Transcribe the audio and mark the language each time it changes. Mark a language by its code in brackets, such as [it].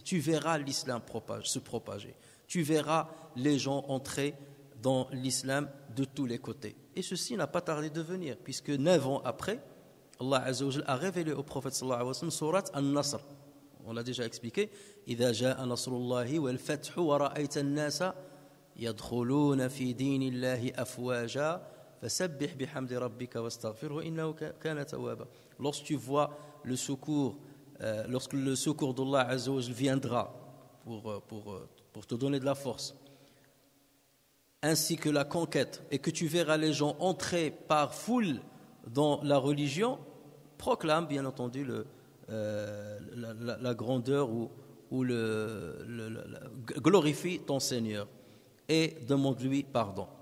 [fr] Tu verras l'islam se propager. Tu verras les gens entrer dans l'islam de tous les côtés. Et ceci n'a pas tardé de venir, puisque 9 ans après, Allah Azza wa Jalla a révélé au prophète sallallahu alayhi wa sallam sourate An-Nasr. On l'a déjà expliqué. [ar] Idha ja'a nasrullahi wal fathu wa ra'aita an-nasa يدخلون في دين الله أفواجا فسبح بحمد ربك واستغفره إنه كان توابا. [fr] Lorsque tu vois le secours, lorsque le secours d'Allah Azza wa Jalla viendra pour te donner de la force, ainsi que la conquête, et que tu verras les gens entrer par foule dans la religion, proclame bien entendu la grandeur ou glorifie ton Seigneur et demande-lui pardon.